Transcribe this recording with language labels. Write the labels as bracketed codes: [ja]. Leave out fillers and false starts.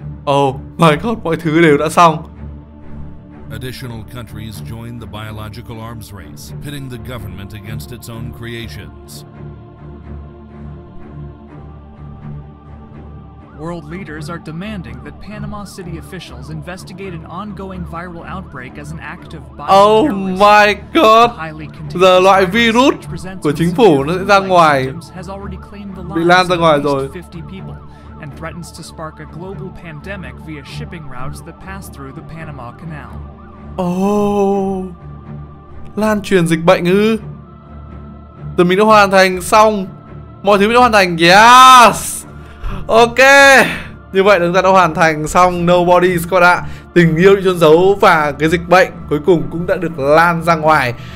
[en] Oh my god, [vi] mọi thứ đều đã xong. [en] Additional countries joined the biological arms race, pitting the government against its own creations. World leaders are demanding that Panama City officials investigate an ongoing viral outbreak as an act of bioterrorism. Oh my god. [vi] Giờ loại virus của chính phủ nó sẽ ra ngoài. Bị lan ra ngoài rồi. [en] And threatens to spark a global pandemic via shipping routes that pass through the Panama Canal. [vi] Oh, lan truyền dịch bệnh ư? Thì mình đã hoàn thành xong, mọi thứ mình đã hoàn thành. [en] Yes, ok. [vi] Như vậy chúng ta đã hoàn thành xong Nobody Squad ạ. tình yêu bị chôn giấu và cái dịch bệnh cuối cùng cũng đã được lan ra ngoài.